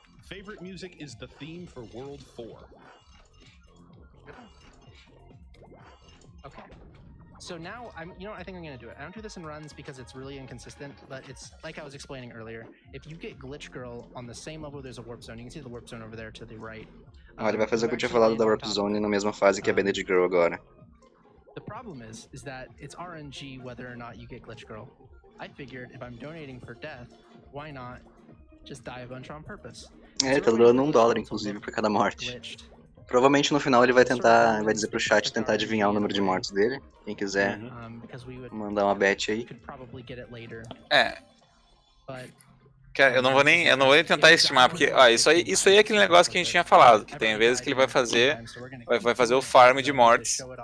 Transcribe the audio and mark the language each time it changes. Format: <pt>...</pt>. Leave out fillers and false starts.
<en>Favorite music is the theme for World 4. Okay. So now I think I'm gonna do it. I don't do this in runs because it's really inconsistent, but it's like I was explaining earlier. If you get Glitch Girl on the same level there's a warp zone, you can see the warp zone over there to the right.</en> <pt>Ah, ele vai fazer o que eu tinha falado da Warp Zone na mesma fase que a Bandage Girl agora.</pt> <en>The problem is that it's RNG whether or not you get Glitch Girl. I figured if I'm donating for death, why not just die a bunch on purpose?</en> <pt>É, ele tá doando $1, inclusive, pra cada morte. Provavelmente no final ele vai tentar, vai dizer pro chat tentar adivinhar o número de mortes dele. Quem quiser mandar uma bet aí. É. Cara, eu não vou nem tentar estimar, porque ó, isso aí é aquele negócio que a gente tinha falado, que tem vezes que ele vai fazer o farm de mortes.</pt>